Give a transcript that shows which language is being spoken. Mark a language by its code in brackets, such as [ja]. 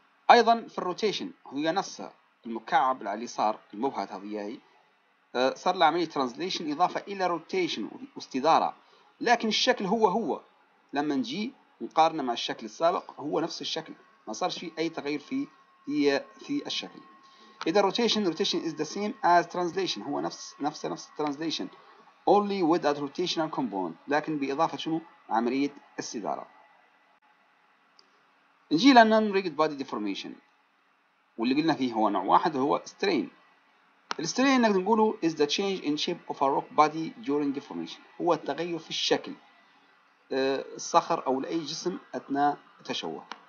[ar] أيضا في الروتيشن هي نفسها، المكعب على اليسار المبهت هذه هي صار لها عملية ترانزليشن إضافة إلى روتيشن واستدارة، لكن الشكل هو هو. لما نجي نقارنه مع الشكل السابق هو نفس الشكل، ما صارش فيه أي تغيير في الشكل. [en] إذا rotation is the same as translation، [ar] هو نفس [en] translation only with a rotational component، [ar] لكن بإضافة شنو؟ عملية استدارة. نجي لـ non-rigid body deformation، واللي قلنا فيه هو نوع واحد وهو strain. [en] strain [ar] نقدر نقوله [en] is the change in shape of a rock body during deformation، [ar] هو التغير في الشكل الصخر أو لأي جسم أثناء تشوه.